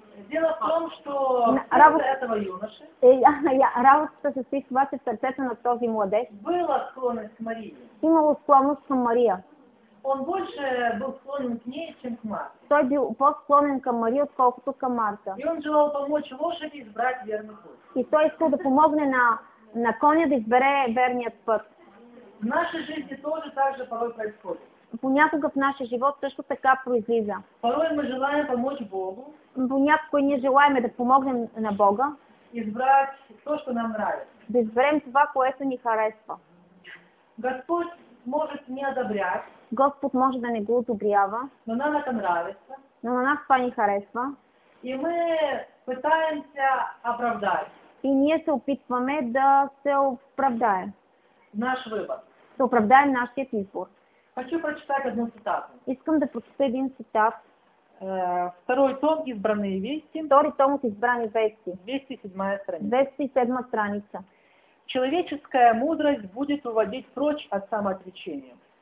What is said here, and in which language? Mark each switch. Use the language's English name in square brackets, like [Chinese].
[Russian] Дело в том, что сердце этого юноши. [Bulgarian] Работата се стисва в сърцето на този младеж. [Russian] Была склонность к Марии. [Bulgarian] Имало склонност към Мария. [Russian] Он больше был склонен к ней, чем к Марте. [Bulgarian] Той бил по-склонен към Мария, отколкото към Марта. [Russian] И он желал помочь лошади избрать верный путь. [Bulgarian] И той искал да помогне на коня да избере верният път. [Russian] В нашей жизни тоже так же порой происходит. [Bulgarian] Понякога в нашия живот също така произлиза. [Russian] Порой мы желаем помочь Богу. [Bulgarian] Понякога ние желаем да помогнем на Бога. [Russian] Избрать то, что нам нравится. [Bulgarian] Да изберем това, което ни харесва. [Russian] Господь может не одобрять. [Bulgarian] Господ може да не го одобрява. [Russian] Но нам это нравится. [Bulgarian] Но на нас това ни харесва. [Russian] И мы пытаемся оправдать. [Bulgarian] И ние се опитваме да се оправдаем. [Russian] Наш выбор. [Bulgarian] Да оправдаем нашия избор. [Russian] Хочу прочитать одну цитату. [Bulgarian] Искам да [Russian] прочитаю один [Bulgarian] цитат. [Russian] Второй том «Избранные вести». Второй том «Избранные вести». 207-я страница. 207-я страница. Человеческая мудрость будет уводить прочь от самоотречения.